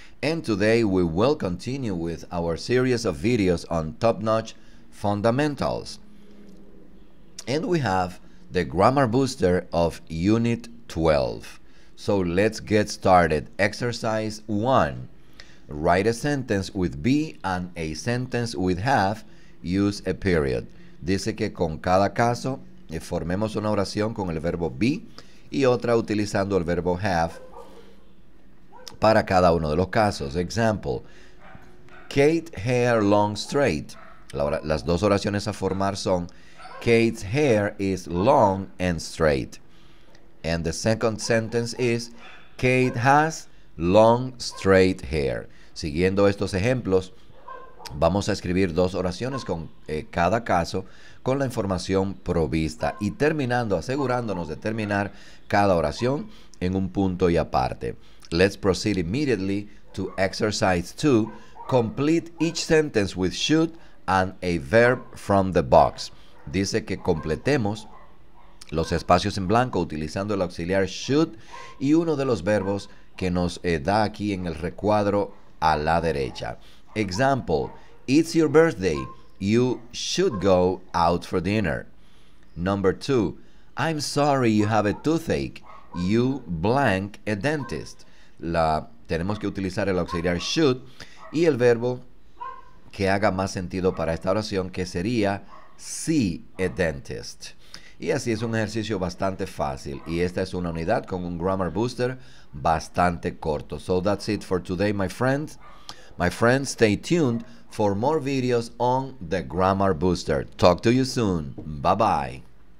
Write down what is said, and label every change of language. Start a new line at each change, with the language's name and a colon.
English: And today we will continue with our series of videos on top-notch fundamentals. And we have the grammar booster of Unit 12. So let's get started. Exercise 1. Write a sentence with be and a sentence with have. Use a period.
Spanish: Dice que con cada caso formemos una oración con el verbo be y otra utilizando el verbo have para cada uno de los casos.
English: Example, Kate's hair long straight.
Spanish: Las dos oraciones a formar son
English: Kate's hair is long and straight. And the second sentence is Kate has long straight hair.
Spanish: Siguiendo estos ejemplos, vamos a escribir dos oraciones con cada caso con la información provista y terminando, asegurándonos de terminar cada oración en un punto y aparte.
English: Let's proceed immediately to exercise 2. Complete each sentence with should and a verb from the box.
Spanish: Dice que completemos los espacios en blanco utilizando el auxiliar should y uno de los verbos que nos da aquí en el recuadro a la derecha.
English: Example, it's your birthday. You should go out for dinner. Number 2, I'm sorry you have a toothache. You blank a dentist.
Spanish: Tenemos que utilizar el auxiliar should y el verbo que haga más sentido para esta oración, que sería
English: see a dentist.
Spanish: Y así es un ejercicio bastante fácil. Y esta es una unidad con un grammar booster bastante corto.
English: So that's it for today, my friends. My friends, stay tuned for more videos on the Grammar Booster. Talk to you soon. Bye-bye.